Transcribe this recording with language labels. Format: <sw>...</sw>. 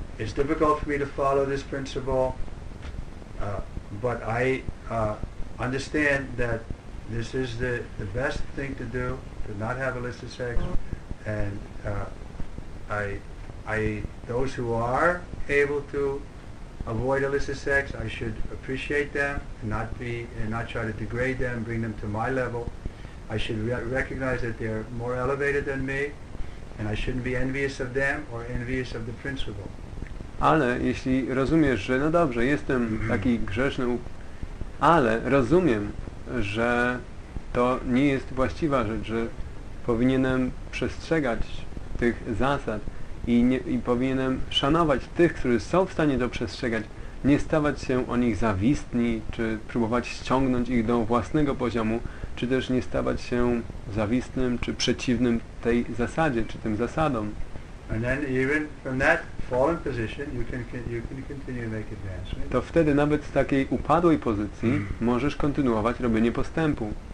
<en>It's difficult for me to follow this principle, but I understand that this is the best thing to do, to not have illicit sex, and I those who are able to avoid illicit sex, I should appreciate them and not try to degrade them, bring them to my level. I should recognize that they're more elevated than me, and I shouldn't be envious of them or envious of the principle.</en> <pl>Ale jeśli rozumiesz, że no dobrze, jestem taki grzeszny, ale rozumiem, że to nie jest właściwa rzecz, że powinienem przestrzegać tych zasad i powinienem szanować tych, którzy są w stanie to przestrzegać, nie stawać się o nich zawistni, czy próbować ściągnąć ich do własnego poziomu, czy też nie stawać się zawistnym, czy przeciwnym tej zasadzie, czy tym zasadom.</pl> <en>And then even from that fallen position, you can continue to make advancements.</en> <pl>To wtedy nawet z takiej upadłej pozycji możesz kontynuować robienie postępu.</pl>